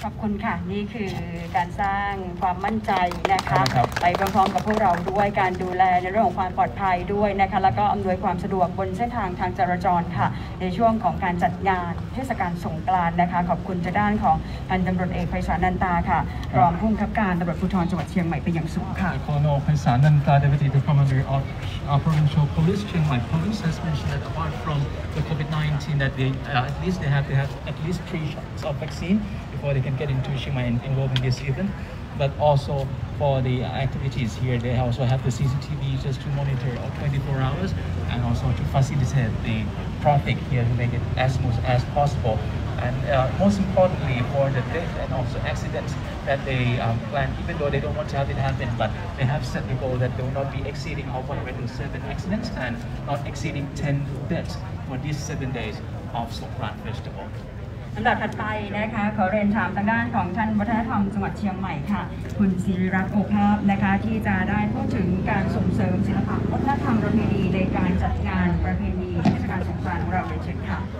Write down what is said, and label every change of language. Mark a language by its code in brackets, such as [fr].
[th] ขอบคุณค่ะนี่คือการสร้างความมั่นใจนะคะไปพร้อมๆกับพวกเราด้วยการดูแลในเรื่องของความปลอดภัยด้วยนะคะแล้วก็อำนวยความสะดวกบนเส้นทางทางจราจรค่ะในช่วงของการจัดงานเทศกาลสงกรานต์นะคะขอบคุณจากด้านของพันตำรวจเอกไพศาลนันตาค่ะรองผู้บังคับการตำรวจภูธรจังหวัดเชียงใหม่เป็นอย่างสูงค่ะ [en] โคโนไพศาลนันตา Deputy Commander of Provincial Police Chiang Mai Police has mentioned that apart from the COVID-19 that they have to have at least 3 shots of vaccineBefore they can get into Chiang Mai and involve in this event, but also for the activities here, they also have the CCTV just to monitor 24 hours and also to facilitate the traffic here to make it as smooth as possible. And most importantly, for the death and also accidents that they plan, even though they don't want to have it happen, but they have set the goal that they will not be exceeding 107 accidents and not exceeding 10 deaths for these 7 days of Songkran Festival. [th] ลำดับถัดไปนะคะขอเรียนถามทางด้านของท่านวัฒนธรรมจังหวัดเชียงใหม่ค่ะคุณศิริรักษ์โอภาสนะคะที่จะได้พูดถึงการส่งเสริมศิลปะวัฒนธรรมประเพณีในการจัดงานประเพณีเทศกาลสงกรานต์ของเราในเชียงค่ะ